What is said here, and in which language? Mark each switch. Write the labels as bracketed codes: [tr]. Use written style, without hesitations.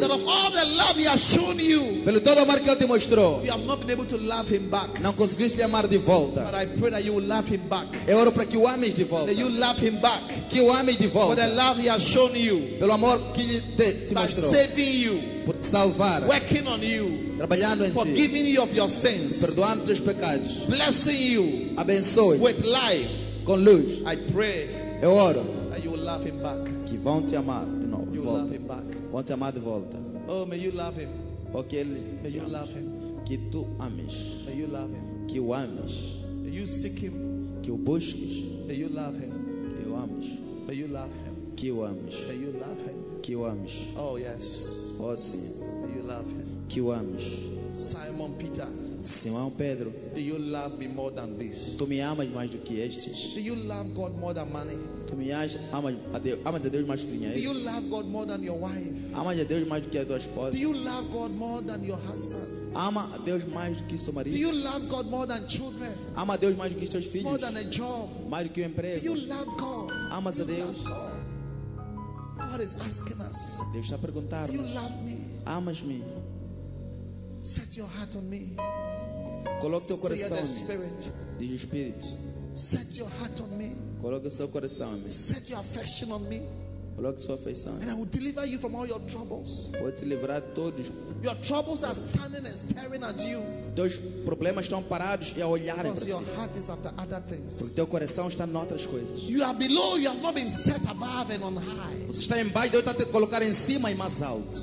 [en] That of all the love he has shown you. [pt] Pelo todo amor que ele te mostrou. [en] You have not been able to love him back. [pt] Não conseguiste amar de volta. [en] But I pray that you will love him back. [pt] Eu oro para que o ames de volta. [en] That you love him back. [pt] Que o ames de volta. [en] For the love he has shown you. [pt] Pelo amor que ele te mostrou. [en] By saving you. [pt] Por te salvar. [en] Working on you. [pt] Trabalhando em ti. [en] Forgiving you of your sins. [pt] Perdoando teus pecados. [en] Blessing you. [pt] Abençoe. [en] With life. [pt] Com luz. [en] I pray. [pt] Eu oro. [en] And you will love him back. [pt] Que vão te amar de novo. [en] You will love him back. [pt] Vão te amar de volta. [en] Oh, may you love him. [pt] Okay, ele [en] may you love him. [pt] Que tu ames. [en] May you love him. [pt] Que o ames. [en] May you seek him. [pt] Que o busques. [en] May you love him. [pt] Que o ames. [en] May you love him. [pt] Que o ames. [en] May you love him. [pt] Que o ames. [en] Oh, yes. [pt] Oh, sim. [en] May you love him. [pt] Que o ames. [en] Simon Peter. [pt] Simão Pedro, [en] do you love me more than this? [pt] Tu me amas mais do que estes? [en] Do you love God more than money? [pt] Tu me amas a Deus mais do que dinheiro? [en] Do you love God more than your wife? [pt] Amas a Deus mais do que a tua esposa? [en] Do you love God more than your husband? [pt] Ama a Deus mais do que seu marido? [en] Do you love God more than children? [pt] Ama a Deus mais do que seus filhos? [en] More than a job? [pt] Mais do que um emprego? [en] Do you love God? [pt] Amas a Deus? [en] God is asking us. [pt] Deus está a perguntar. [en] Do you love me? [pt] Amas-me? [en] Set your heart on me. [pt] Coloque teu coração. [en] Say the Spirit. [pt] Diz o Espírito. [en] Set your heart on me. [pt] Coloque seu coração em mim. [en] Set your affection on me. [pt] Coloque sua afeição. [en] And I will deliver you from all your troubles. [pt] Vou te livrar de todos. [en] Your troubles are standing and staring at you. [pt] Teus problemas estão parados e a olharem para ti. [en] Your heart is after other things. [pt] Porque teu coração está em outras coisas. [en] You are below, you have not been set above and on high. [pt] Você está embaixo, Deus está te colocar em cima e mais alto.